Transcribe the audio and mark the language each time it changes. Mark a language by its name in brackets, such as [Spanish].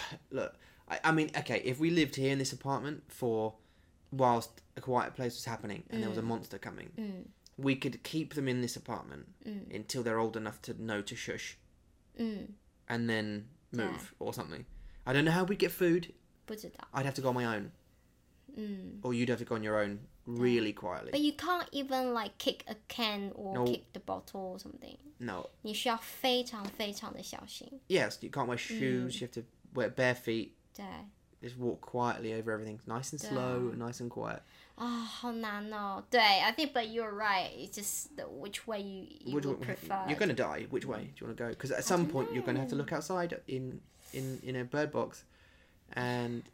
[English] Look, I mean, okay, if we lived here in this apartment for whilst A Quiet Place was happening and there was a monster coming, we could keep them in this apartment until they're old enough to know to shush and then move or something. I don't know how we'd get food. I'd have to go on my own. Or you'd have to go on your own really quietly. But you can't even like kick a can or kick the bottle or something. No. [Chinese] 你需要非常非常的小心。 [English] Yes, you can't wear shoes, you have to wear bare feet. [Chinese] 对。 [English] Just walk quietly over everything, nice and slow, nice and quiet. Oh, [Chinese] 好难哦。对, [English] I think, but you're right. It's just the, which way you would prefer. You're going to die. Which way do you want to go? Because at some point, you're going to have to look outside in a bird box. And